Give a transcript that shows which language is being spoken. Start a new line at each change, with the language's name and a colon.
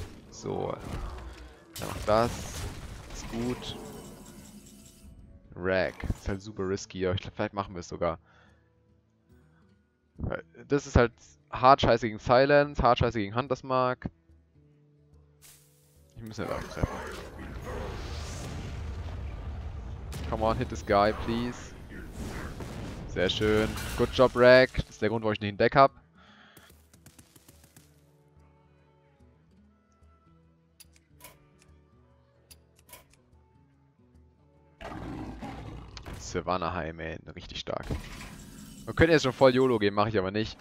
German: So. Dann noch das. Ist gut. Rack. Das ist halt super risky. Ich glaube, vielleicht machen wir es sogar. Das ist halt hart scheiße gegen Silence, hart scheiße gegen Hunter's Mark. Ich muss einfach treffen.
English: Come on, hit this guy, please.
German: Sehr schön.
English: Good job,
German: Rack. Das ist der Grund, warum ich nicht ein Deck habe. Savannah High, man, richtig stark. Wir können jetzt schon voll YOLO gehen, mache ich aber nicht.